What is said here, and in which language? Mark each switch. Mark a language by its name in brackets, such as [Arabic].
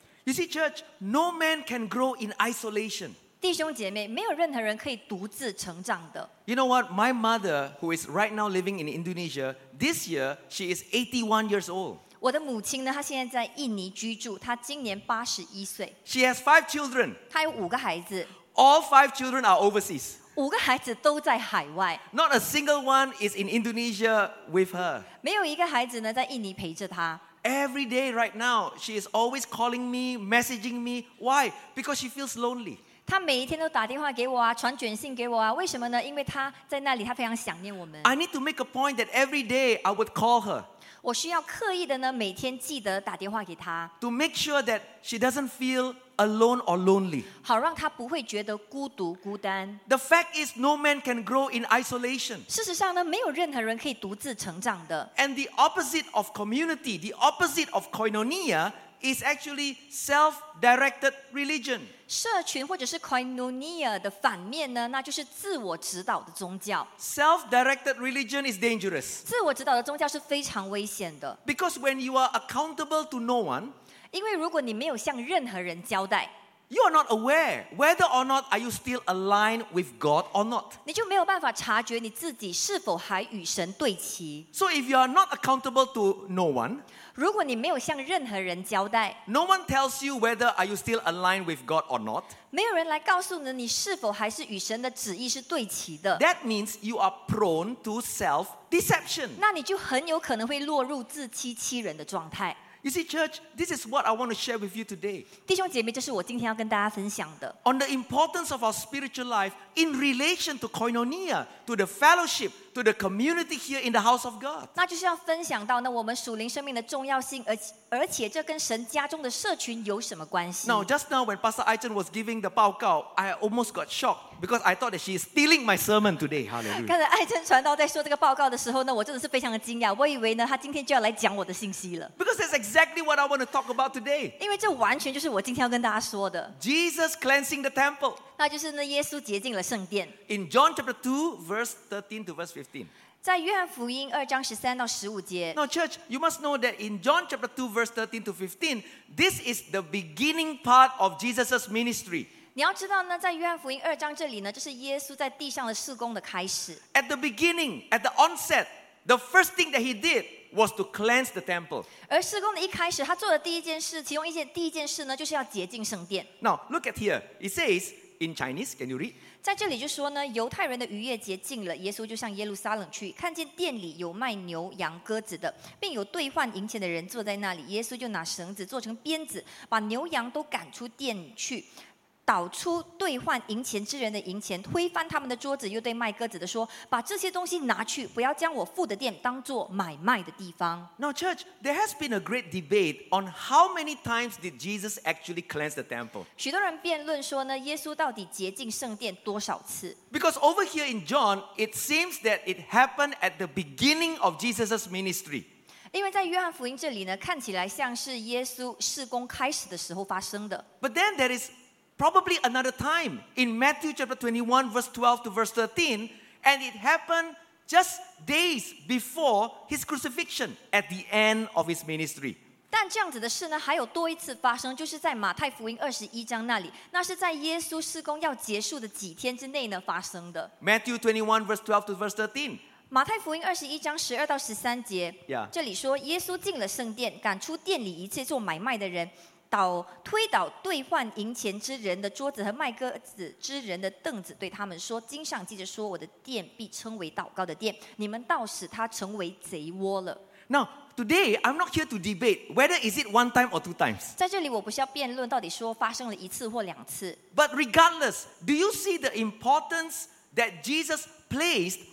[English] You see, church, no man can grow in isolation. [Chinese] 弟兄姐妹，没有任何人可以独自成长的。 [English] You know what? My mother, who is right now living in Indonesia, this year she is 81 years old. [Chinese] 我的母亲呢，她现在在印尼居住，她今年八十一岁。 [English] She has five children. [Chinese] 她有五个孩子。 [English] All five children are overseas. [Chinese] 五个孩子都在海外。 [English] Not a single one is in Indonesia with her. [Chinese] 没有一个孩子呢在印尼陪着她。 [English] Every day right now, she is always calling me, messaging me. Why? Because she feels lonely. [Chinese] 她每一天都打电话给我啊，传卷信给我啊。为什么呢？因为她在那里，她非常想念我们。 [English] I need to make a point that every day I would call her. [Chinese] 我需要刻意的呢，每天记得打电话给她 [English] ，to make sure that she doesn't feel alone or lonely， [Chinese] 好让她不会觉得孤独孤单。 [English] The fact is, no man can grow in isolation。 [Chinese] 事实上呢，没有任何人可以独自成长的。 [English] And the opposite of community, the opposite of koinonia, is actually self-directed religion。 [Chinese] 社群或者是 koinonia 的反面呢，那就是自我指导的宗教。 [English] Self-directed religion is dangerous. [Chinese] 自我指导的宗教是非常危险的。 [English] Because when you are accountable to no one, [Chinese] 因为如果你没有向任何人交代， [English] you are not aware whether or not are you still aligned with God or not. [Chinese] 你就没有办法察觉你自己是否还与神对齐。 [English] So if you are not accountable to no one, [Chinese] 如果你没有向任何人交代 [English] ，No one tells you whether are you still aligned with God or not. [Chinese] 没有人来告诉你你是否还是与神的旨意是对齐的。 [English] That means you are prone to self-deception. [Chinese] 那你就很有可能会落入自欺欺人的状态。 [English] You see, church, this is what I want to share with you today. [Chinese] 弟兄姐妹，这是我今天要跟大家分享的。 [English] On the importance of our spiritual life in relation to koinonia, to the fellowship, to the community here in the house of God. [Chinese] 那就是要分享到呢我们属灵生命的重要性，而且这跟神家中的社群有什么关系？ [English] Now, just now when Pastor Aichen was giving the 报告, I almost got shocked. because I thought that she is stealing my sermon today. Hallelujah. [Chinese] 刚才爱珍传道在说这个报告的时候呢，我真的是非常的惊讶。我以为呢，他今天就要来讲我的信息了。 [English] Because that's exactly what I want to talk about today. [Chinese] 因为这完全就是我今天要跟大家说的。 [English] Jesus cleansing the temple. [Chinese] 那就是呢，耶稣洁净了圣殿。 [English] In John chapter 2, verse 13 to verse 15. [Chinese] 在约翰福音二章十三到十五节。 [English] Now, church, you must know that in John chapter 2, verse 13 to 15, this is the beginning part of Jesus' ministry. [Chinese] 你要知道呢，在约翰福音二章这里呢，就是耶稣在地上的事工的开始。 [English] At the beginning, at the onset, the first thing that he did was to cleanse the temple. [Chinese] 而事工的一开始，他做的第一件事，其中一件第一件事呢，就是要洁净圣殿。 [English] Now look at here. It says in Chinese. Can you read? [Chinese] 在这里就说呢，犹太人的逾越节近了，耶稣就向耶路撒冷去，看见殿里有卖牛羊鸽子的，并有兑换银钱的人坐在那里。耶稣就拿绳子做成鞭子，把牛羊都赶出殿去。倒出兑换银钱之人的银钱，推翻他们的桌子，又对卖鸽子的说：“把这些东西拿去，不要将我父的殿当作买卖的地方。” [English] Now, church, there has been a great debate on how many times did Jesus actually cleanse the temple. [Chinese] 许多人辩论说呢，耶稣到底洁净圣殿多少次 [English] ？Because over here in John, it seems that it happened at the beginning of Jesus' ministry. [Chinese] 因为在约翰福音这里呢，看起来像是耶稣事工开始的时候发生的。 [English] But then there is probably another time in Matthew chapter 21, verse 12 to verse 13, and it happened just days before his crucifixion at the end of his ministry. [Chinese] 但这样子的事呢，还有多一次发生，就是在马太福音二十一章那里，那是在耶稣事工要结束的几天之内呢发生的。 [English] Matthew 21, verse 12 to verse 13. [Chinese] 马太福音二十一章十二到十三节， [English] yeah. [Chinese] 这里说耶稣进了圣殿，赶出殿里一切做买卖的人，倒推倒兑换银钱之人的桌子和卖鸽子之人的凳子，对他们说：“经上记着说，我的殿必称为祷告的殿，你们倒使它成为贼窝了。” [English] Now today I'm not here to debate whether is it one time or two times. [Chinese] 在这里我不是要辩论到底说发生了一次或两次。 [English] But regardless, do you see the importance that Jesus placed?